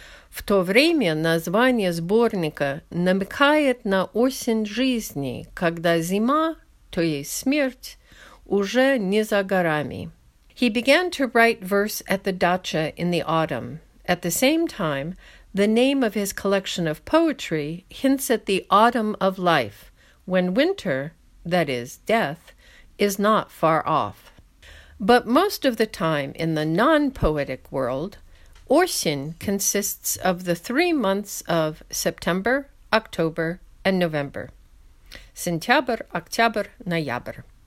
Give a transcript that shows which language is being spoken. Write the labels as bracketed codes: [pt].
[ru] В то время название сборника намекает на осень жизни, когда зима, то есть смерть, уже не за горами. [en] He began to write verse at the dacha in the autumn. At the same time, the name of his collection of poetry hints at the autumn of life, when winter, that is, death, is not far off. But most of the time in the non-poetic world, Orsin consists of the 3 months of September, October, and November. [ru] Сентябрь, октябрь, ноябрь.